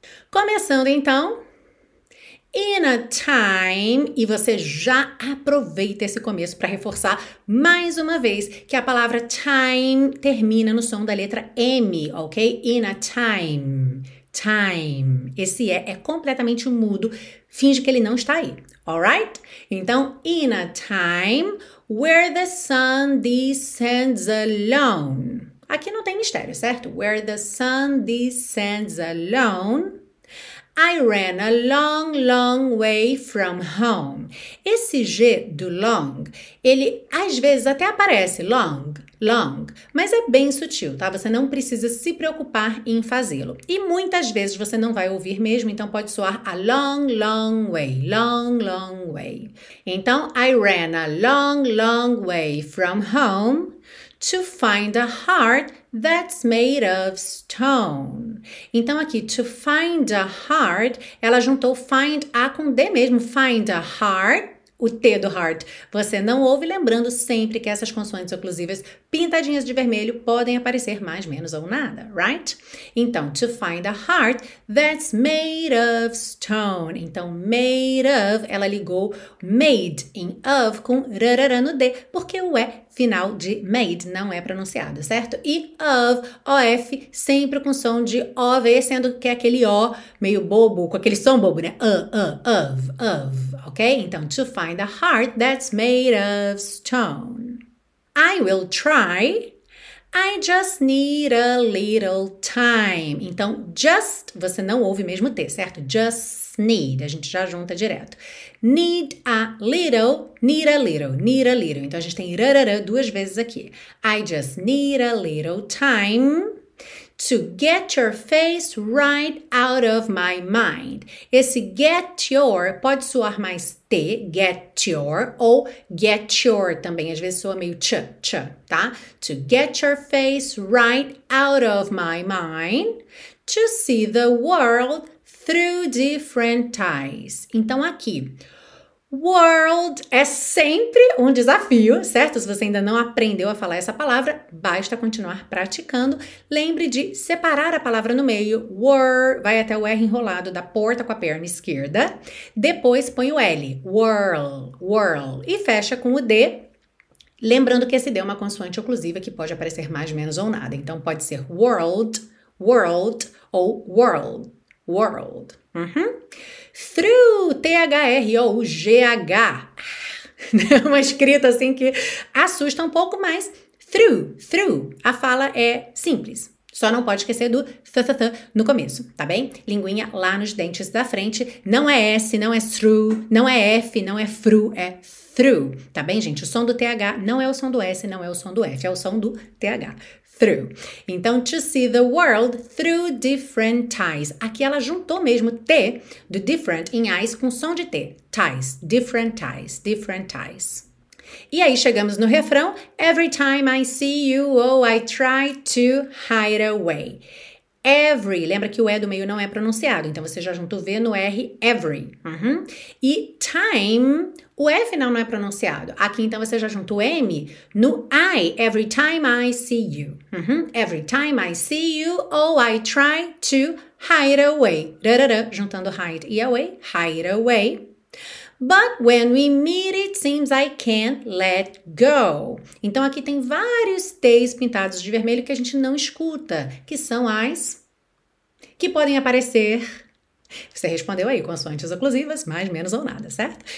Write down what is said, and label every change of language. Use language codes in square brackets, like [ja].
[pt] Começando então, in a time, e você já aproveita esse começo para reforçar mais uma vez que a palavra time termina no som da letra M, ok? In a time, time. Esse é completamente mudo, finge que ele não está aí, alright? [en] Então, in a time where the sun descends alone. [pt] Aqui não tem mistério, certo? [en] Where the sun descends alone, I ran a long, long way from home. [pt] Esse G do long, ele às vezes até aparece long, long, mas é bem sutil, tá? Você não precisa se preocupar em fazê-lo. E muitas vezes você não vai ouvir mesmo, então pode soar [en] a long, long way, [pt] long, long way. [en] Então, I ran a long, long way from home to find a heart that's made of stone. [pt] Então aqui, to find a heart, ela juntou find a com D mesmo, find a heart. O T do heart você não ouve, lembrando sempre que essas consoantes oclusivas pintadinhas de vermelho podem aparecer mais, menos ou nada, right? [en] Então, to find a heart that's made of stone. [pt] Então, made of, ela ligou made em of com rarara no D, porque o E final de made não é pronunciado, certo? E of, OF, sempre com som de OV, sendo que é aquele O meio bobo, com aquele som bobo, né? [en] Of. Okay? Então, to find a heart that's made of stone. I will try. I just need a little time. [pt] Então, just, você não ouve mesmo T, certo? Just need, a gente já junta direto. [en] Need a little, need a little, need a little. [pt] Então, a gente tem rarara duas vezes aqui. [en] I just need a little time to get your face right out of my mind. [pt] Esse get your pode soar mais T, get your, ou get your também, às vezes soa meio tch, tá? [en] To get your face right out of my mind to see the world through different eyes. [pt] Então aqui, world é sempre um desafio, certo? Se você ainda não aprendeu a falar essa palavra, basta continuar praticando. Lembre de separar a palavra no meio. World, vai até o R enrolado da porta com a perna esquerda. Depois põe o L. World, world. E fecha com o D. Lembrando que esse D é uma consoante oclusiva que pode aparecer mais, menos ou nada. Então pode ser world, world ou world, world. Through, through, G-H. É uma escrita assim que assusta um pouco, mas through, through. A fala é simples. Só não pode esquecer do th no começo, tá bem? Linguinha lá nos dentes da frente. Não é S, não é through, não é F, não é fru, é through. Tá bem, gente? O som do TH não é o som do S, não é o som do F, é o som do TH. [en] Through. Então, to see the world through different eyes. [pt] Aqui ela juntou mesmo T do different em eyes com som de T. [en] Ties, different eyes, different eyes. [pt] E aí chegamos no refrão. [en] Every time I see you, oh, I try to hide away. [pt] Every, lembra que o E do meio não é pronunciado, então você já junta o V no R, every. Uhum. E time, o F final não é pronunciado. Aqui então você já junta o M no I, every time I see you. Uhum. [en] Every time I see you, oh, I try to hide away. [pt] Rarara, juntando hide e away, [en] hide away. But when we meet, it seems I can't let go. [pt] Então, aqui tem vários T's pintados de vermelho que a gente não escuta, que são as que podem aparecer. Você respondeu aí, consoantes oclusivas, mais, menos ou nada, certo?